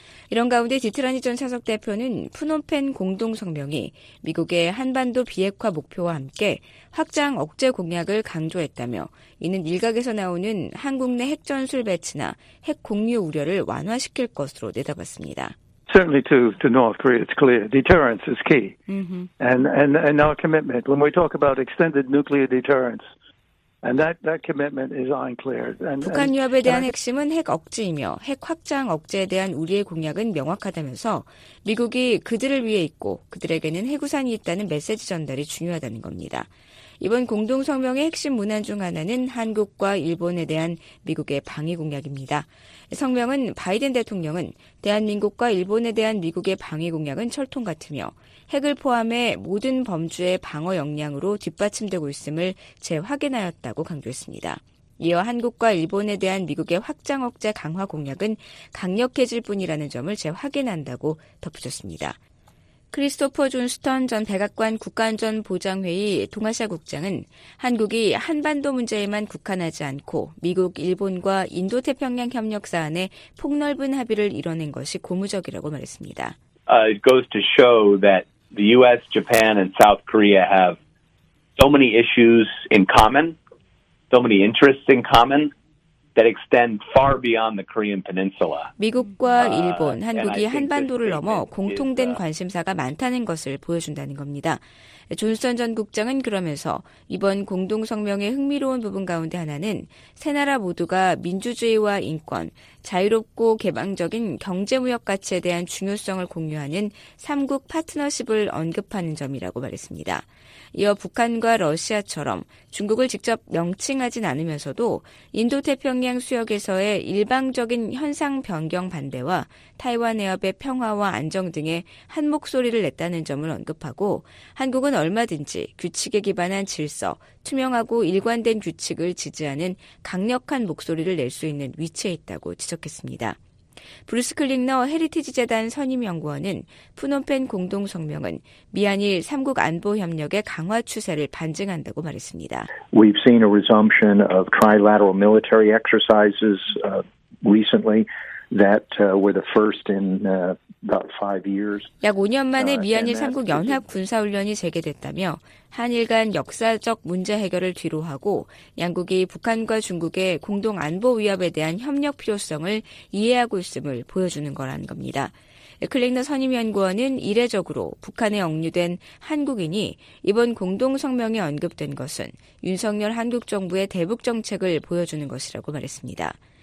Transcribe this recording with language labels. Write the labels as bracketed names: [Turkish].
[Korean] 이런 가운데 지트라니 전 차석 대표는 프놈펜 공동 성명이 미국의 한반도 비핵화 목표와 함께 확장 억제 공약을 강조했다며 이는 일각에서 나오는 한국 내 핵전술 배치나 핵 공유 우려를 완화시킬 것으로 내다봤습니다. [English] Certainly to North Korea, it's clear. Deterrence is key. And our commitment, when we talk about extended nuclear deterrence, and that commitment is ironclad. [Korean] 북한 위협에 대한 핵심은 핵 억제이며 핵 확장 억제에 대한 우리의 공약은 명확하다면서 미국이 그들을 위해 있고 그들에게는 핵우산이 있다는 메시지 전달이 중요하다는 겁니다. 이번 공동성명의 핵심 문안 중 하나는 한국과 일본에 대한 미국의 방위 공약입니다. 성명은 바이든 대통령은 대한민국과 일본에 대한 미국의 방위 공약은 철통 같으며 핵을 포함해 모든 범주의 방어 역량으로 뒷받침되고 있음을 재확인하였다고 강조했습니다. 이어 한국과 일본에 대한 미국의 확장 억제 강화 공약은 강력해질 뿐이라는 점을 재확인한다고 덧붙였습니다. 크리스토퍼 존스턴 전 백악관 국가안전보장회의 동아시아 국장은 한국이 한반도 문제에만 국한하지 않고 미국, 일본과 인도태평양 협력 사안에 폭넓은 합의를 이뤄낸 것이 고무적이라고 말했습니다. [English] It goes to show that the U.S., Japan, and South Korea have so many issues in common, so many interests in common. That extend far beyond the Korean Peninsula. [Korean] 미국과 일본, 한국이 한반도를 넘어 공통된 관심사가 많다는 것을 보여준다는 겁니다. 존슨 전 국장은 그러면서 이번 공동성명의 흥미로운 부분 가운데 하나는 세 나라 모두가 민주주의와 인권, 자유롭고 개방적인 경제무역 가치에 대한 중요성을 공유하는 3국 파트너십을 언급하는 점이라고 말했습니다. 이어 북한과 러시아처럼 중국을 직접 명칭하진 않으면서도 인도태평양 수역에서의 일방적인 현상 변경 반대와 타이완 해협의 평화와 안정 등의 한 목소리를 냈다는 점을 언급하고 한국은 얼마든지 규칙에 기반한 질서, 투명하고 일관된 규칙을 지지하는 강력한 목소리를 낼 수 있는 위치에 있다고 지적했습니다. 브루스 클링너 헤리티지 재단 선임연구원은 프놈펜 공동성명은 미한일 3국 안보 협력의 강화 추세를 반증한다고 말했습니다. [English] We've seen a resumption of trilateral military exercises recently that were the first in about 5 years. [Korean] 약 5년 만에 미한일 3국 연합 군사훈련이 재개됐다며 한일 간 역사적 문제 해결을 뒤로하고 양국이 북한과 중국의 공동 안보 위협에 대한 협력 필요성을 이해하고 있음을 보여주는 거라는 겁니다. 클링너 선임연구원은 이례적으로 북한에 억류된 한국인이 이번 공동성명에 언급된 것은 윤석열 한국 정부의 대북 정책을 보여주는 것이라고 말했습니다.